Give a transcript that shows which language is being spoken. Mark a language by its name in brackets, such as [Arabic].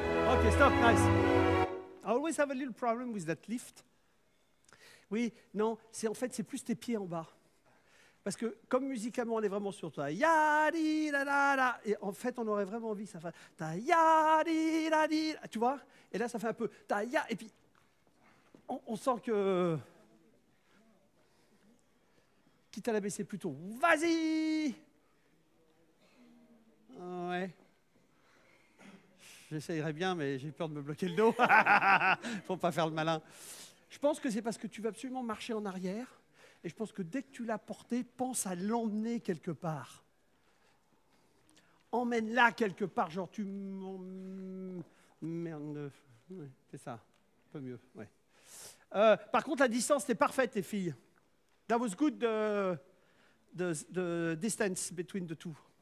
[English] Nice. I always have a little problem with that lift. [French] Oui, non, c'est en fait, c'est plus tes pieds en bas. Parce que comme musicalement, on est vraiment sur toi. Ya di la la la. Et en fait, on aurait vraiment envie que ça fasse ta ya di la di. Tu vois? Et là, ça fait un peu ta ya. Et puis, on sent que. Quitte à la baisser plutôt. Vas-y! Ouais. J'essayerai bien, mais j'ai peur de me bloquer le dos. Faut pas faire le malin. Je pense que c'est parce que tu veux absolument marcher en arrière. Et je pense que dès que tu l'as porté, pense à l'emmener quelque part. Emmène-la quelque part, genre tu m'emmerdes. Ouais, c'est ça, un peu mieux. Ouais. Par contre, la distance, c'est parfaite, les filles. [English] That was good, the distance between the two.